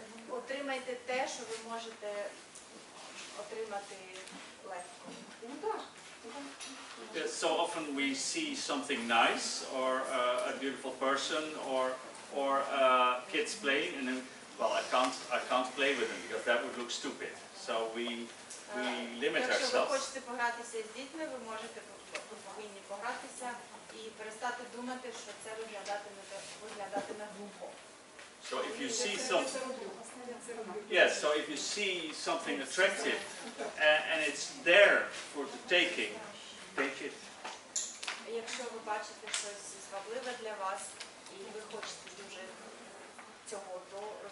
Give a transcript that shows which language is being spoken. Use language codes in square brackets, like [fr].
[uk] Отримайте те, що ви можете отримати легко. [en] So often we see something nice or a beautiful person or kids playing and then well, I can't play with them because that would look stupid. So we limit ourselves. [uk] Якщо ви хочете погратися з дітьми, ви можете повинні погратися і перестати думати, що це виглядатиме глупо. [en] So if you see something, yes. So if you see something attractive and it's there for the taking, take it. [uk] Якщо ви бачите щось звабливе для вас і ви хочете дуже цього, то